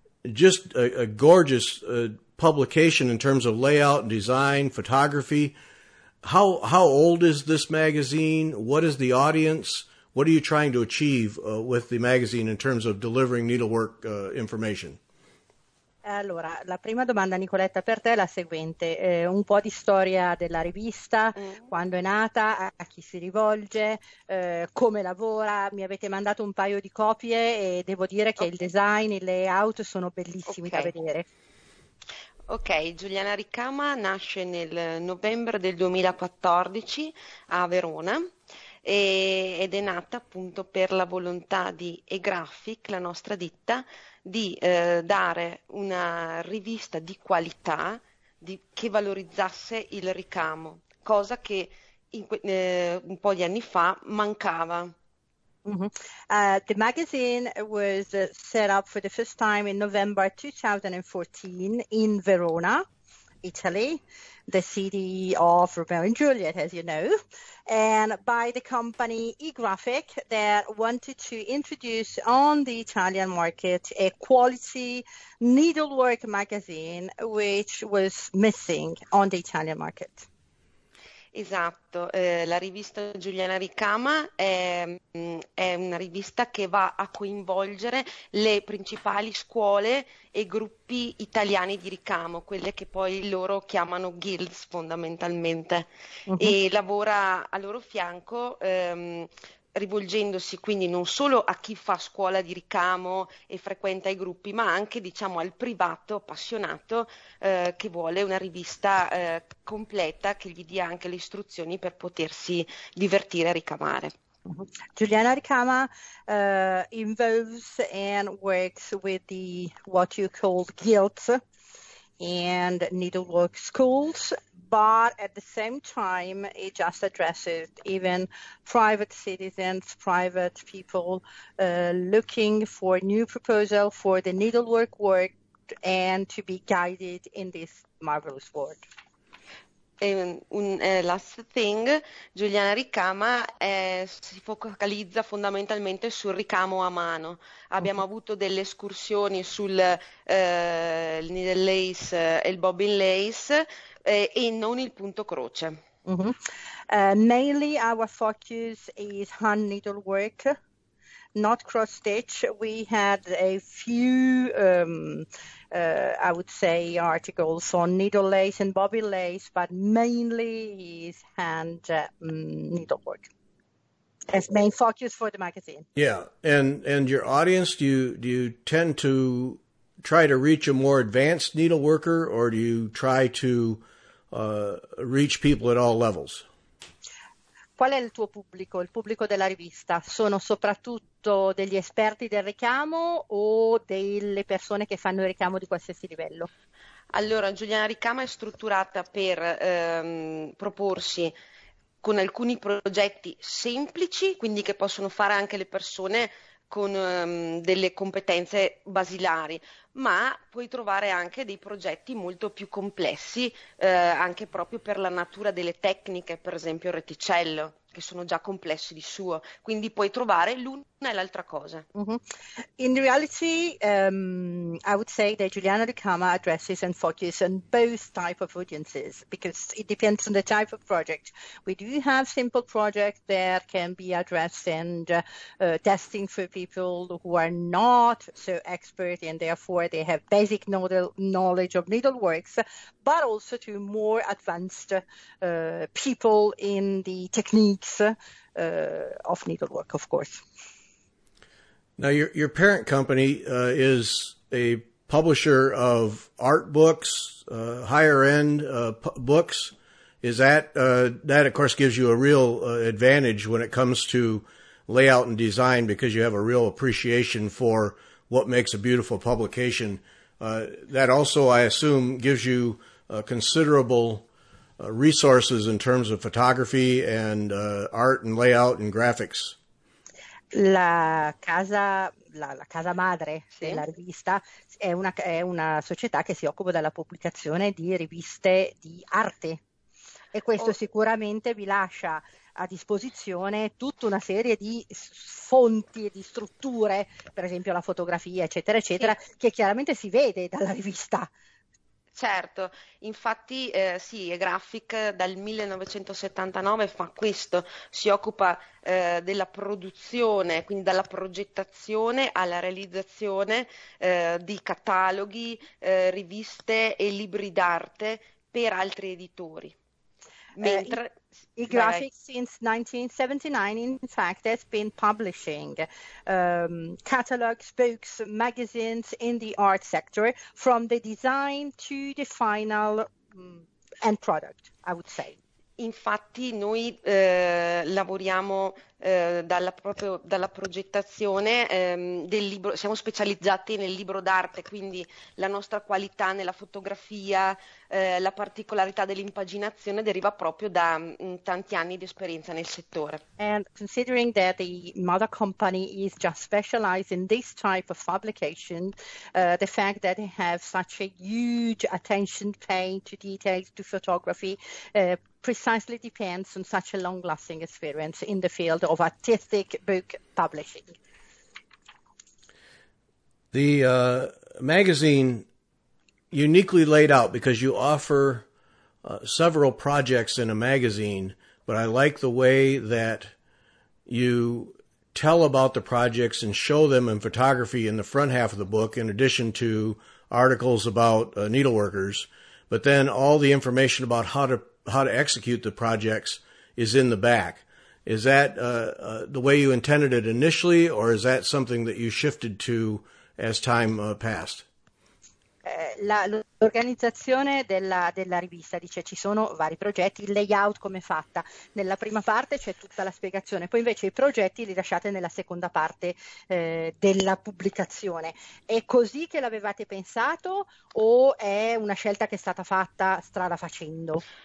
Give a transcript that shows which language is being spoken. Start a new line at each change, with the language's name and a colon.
English: Just a gorgeous publication in terms of layout, design, photography. How old is this magazine? What is the audience? What are you trying to achieve with the magazine in terms of delivering needlework information?
Italian: Allora, la prima domanda, Nicoletta, per te è la seguente. Un po' di storia della rivista, quando è nata, a chi si rivolge, come lavora. Mi avete mandato un paio di copie e devo dire che il design, il layout sono bellissimi da vedere. Ok, Giuliana Ricama nasce nel novembre del 2014 a Verona. Ed è nata appunto per la volontà di eGraphic, la nostra ditta, di dare una rivista di qualità che valorizzasse il ricamo, cosa che un po' di anni fa mancava.
English: The magazine was set up for the first time in November 2014 in Verona, Italy, the city of Romeo and Juliet, as you know, and by the company eGraphic that wanted to introduce on the Italian market a quality needlework magazine which was missing on the Italian market.
Italian: Esatto, la rivista Giuliana Ricama è una rivista che va a coinvolgere le principali scuole e gruppi italiani di ricamo, quelle che poi loro chiamano guilds fondamentalmente, e lavora a loro fianco rivolgendosi quindi non solo a chi fa scuola di ricamo e frequenta i gruppi, ma anche diciamo al privato appassionato che vuole una rivista completa che gli dia anche le istruzioni per potersi divertire a ricamare.
English: Giuliana Ricama involves and works with the what you call guilds and needlework schools, but at the same time, it just addresses even private citizens, private people looking for new proposal for the needlework work and to be guided in this marvelous world. Last thing,
Italian: Giuliana Ricama si focalizza fondamentalmente sul ricamo a mano. Abbiamo avuto delle escursioni sul needle lace e il bobbin lace e non il punto croce.
English: Mainly our focus is hand needlework, not cross stitch. We had a few I would say articles on needle lace and bobbin lace, but mainly is hand needlework as main focus for the magazine. Yeah, and your audience, do you tend to try to reach a more advanced needle worker, or do you try to reach people at all levels?
Italian: Qual è il tuo pubblico, il pubblico della rivista? Sono soprattutto degli esperti del richiamo o delle persone che fanno il richiamo di qualsiasi livello? Allora, Giuliana Ricama è strutturata per proporsi con alcuni progetti semplici, quindi che possono fare anche le persone con delle competenze basilari, ma puoi trovare anche dei progetti molto più complessi, anche proprio per la natura delle tecniche, per esempio il reticello, che sono già complessi di suo, quindi puoi trovare l'una e l'altra cosa. Mm-hmm.
English: In reality, I would say that Giuliana Ricama addresses and focuses on both type of audiences, because it depends on the type of project. We do have simple projects that can be addressed and testing for people who are not so expert and therefore they have basic knowledge of needleworks, but also to more advanced people in the techniques of needlework, of course. Now, your parent company is a publisher of art books, higher-end books. Is that, that, of course, gives you a real advantage when it comes to layout and design, because you have a real appreciation for what makes a beautiful publication. That also, I assume, gives you considerable resources in terms of photography and art and layout and graphics.
Italian: La casa madre, sì, della rivista è una società che si occupa della pubblicazione di riviste di arte, e questo sicuramente vi lascia a disposizione tutta una serie di fonti e di strutture, per esempio la fotografia, eccetera, eccetera, sì, che chiaramente si vede dalla rivista. Certo, infatti sì, Graphic dal 1979 fa questo, si occupa della produzione, quindi dalla progettazione alla realizzazione di cataloghi, riviste e libri d'arte per altri editori. Mentre
English: Graphic, since 1979, in fact, has been publishing catalogs, books, magazines in the art sector, from the design to the final end product, I would say.
Italian: Infatti noi lavoriamo dalla progettazione del libro, siamo specializzati nel libro d'arte, quindi la nostra qualità nella fotografia, la particolarità dell'impaginazione deriva proprio da tanti anni di esperienza nel settore.
English: And considering that the mother company is just specialized in this type of publication, the fact that they have such a huge attention paid to details, to photography, precisely depends on such a long-lasting experience in the field of artistic book publishing. The magazine, uniquely laid out, because you offer several projects in a magazine, but I like the way that you tell about the projects and show them in photography in the front half of the book, in addition to articles about needleworkers, but then all the information about how to execute the projects is in the back. Is that the way you intended it initially, or is that something that you shifted to as time passed?
Italian: L'organizzazione della rivista dice ci sono vari progetti, il layout come è fatta, nella prima parte c'è tutta la spiegazione, poi invece i progetti li lasciate nella seconda parte della pubblicazione. È così che l'avevate pensato o è una scelta che è stata fatta strada facendo?